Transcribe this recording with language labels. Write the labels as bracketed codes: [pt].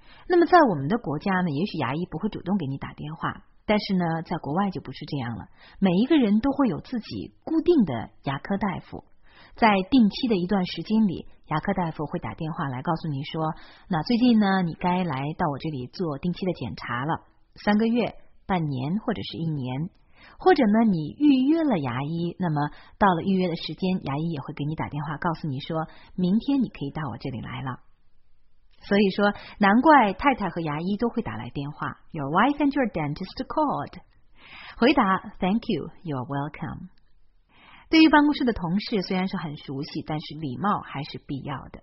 [zh] 那么在我们的国家呢，也许牙医不会主动给你打电话，但是呢在国外就不是这样了，每一个人都会有自己固定的牙科大夫，在定期的一段时间里，牙科大夫会打电话来告诉你说，那最近呢你该来到我这里做定期的检查了，三个月、半年或者是一年，或者呢你预约了牙医，那么到了预约的时间，牙医也会给你打电话告诉你说，明天你可以到我这里来了。所以说，难怪太太和牙医都会打来电话。 [en] Your wife and your dentist called. [zh] 回答 [en] Thank you, you're welcome. [zh] 对于办公室的同事虽然是很熟悉，但是礼貌还是必要的。